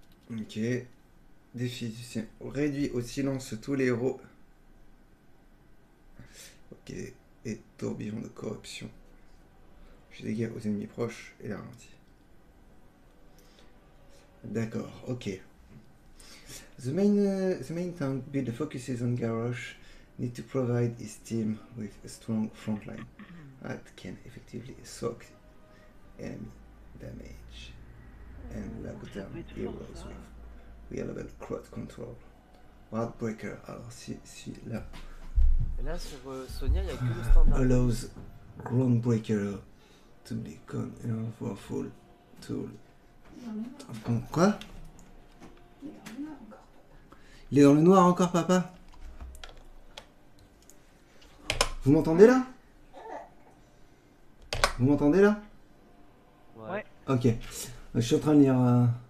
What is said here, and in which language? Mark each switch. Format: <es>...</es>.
<fr>Ok. Défi du sien. Réduit au silence tous les héros. Ok. Et tourbillon de corruption. J'ai des dégâts aux ennemis proches et ralenti. D'accord. Ok.</fr> <en>The main tank build focuses on Garrosh. Need to provide his team with a strong frontline that can effectively soak enemy damage and lock down heroes with reliable crowd control.</en> <fr>Wildbreaker, alors si là. Et là sur Sonia, il n'y a que le standard.</fr> <en>Allows Groundbreaker to become a powerful tool.</en> <fr>Quoi? Il est dans le noir encore, papa? Vous m'entendez là? Ouais. Ok. Je suis en train de lire.</fr>